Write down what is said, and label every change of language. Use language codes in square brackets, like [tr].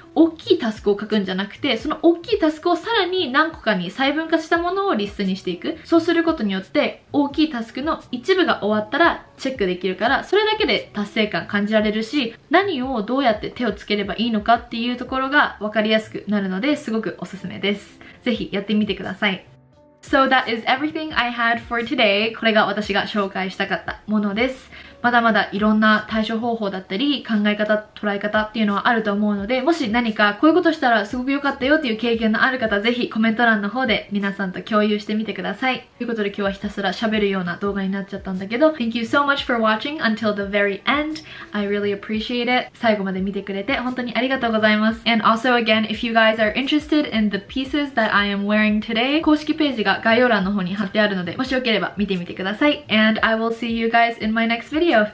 [ja] 大きいタスクを書くんじゃなくて、その大きいタスクをさらに何個かに細分化したものをリストにしていく。そうすることによって大きいタスクの一部が終わったらチェックできるから、それだけで達成感感じられるし、何をどうやって手をつければいいのかっていうところが分かりやすくなるので、すごくおすすめです。ぜひやってみてください。 [en] So that is everything I had for today. [ja] これが私が紹介したかったものです。まだまだいろんな対処方法だったり、考え方、捉え方っていうのはあると思うので、もし何かこういうことしたらすごく良かったよっていう経験のある方、ぜひコメント欄の方で皆さんと共有してみてください。ということで今日はひたすら喋るような動画になっちゃったんだけど、 [en] Thank you so much for watching until the very end. I really appreciate it. [ja] 最後まで見てくれて本当にありがとうございます。 [en] And also again, if you guys are interested in the pieces that I am wearing today, [ja] 公式ページが概要欄の方に貼ってあるので、もしよければ見てみてください。 [en] And I will see you guys in my next video.